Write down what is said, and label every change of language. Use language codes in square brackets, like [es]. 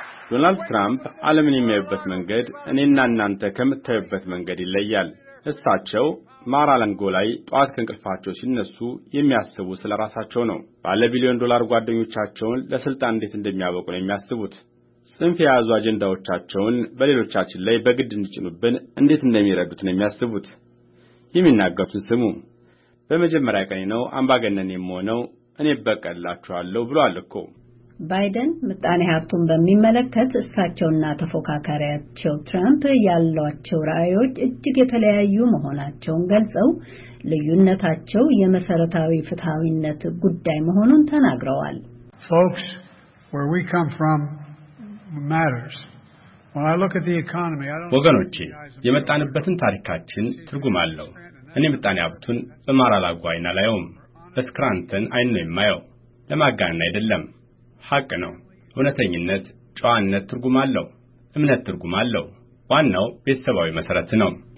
[am] ዶናልድ ትራምፕ ዓለምን የሚያይበት መንገድ እኔና እናንተ ከምታዩበት መንገድ ይለያል። እሳቸው ማራላንጎ ላይ ጧት ከንቅልፋቸው ሲነሱ የሚያስቡ ስለራሳቸው ነው። ባለ ቢሊዮን ዶላር ጓደኞቻቸውን ለስልጣን እንዴት እንደሚያበቁ ነው የሚያስቡት። ጽንፍ የያዙ አጀንዳዎቻቸውን በሌሎቻችን ላይ በግድ እንዲጭኑብን እንዴት እንደሚረዱት ነው የሚያስቡት። የሚናገሩትን ስሙ። በመጀመሪያ ቀኔ ነው አምባገነን የምሆነው፣ እኔ በቀላችኋለሁ ብሏል እኮ። ባይደን ምጣኔ ሀብቱን በሚመለከት እሳቸውና ተፎካካሪያቸው ትራምፕ ያሏቸው ራዕዮች እጅግ የተለያዩ መሆናቸውን ገልጸው ልዩነታቸው የመሰረታዊ ፍትሃዊነት ጉዳይ መሆኑን ተናግረዋል። [en] Folks, where we come from matters. When I look at the economy, I don't know. [am] ወገኖቼ የመጣንበትን ታሪካችን ትርጉም አለው። እኔ ምጣኔ ሀብቱን በማራላጓ አይና ላይውም በስክራንተን አይነ የማየው ለማጋነን አይደለም። ሐቅ ነው። እውነተኝነት ጨዋነት ትርጉም አለው። እምነት ትርጉም አለው። ዋናው ቤተሰባዊ መሰረት ነው።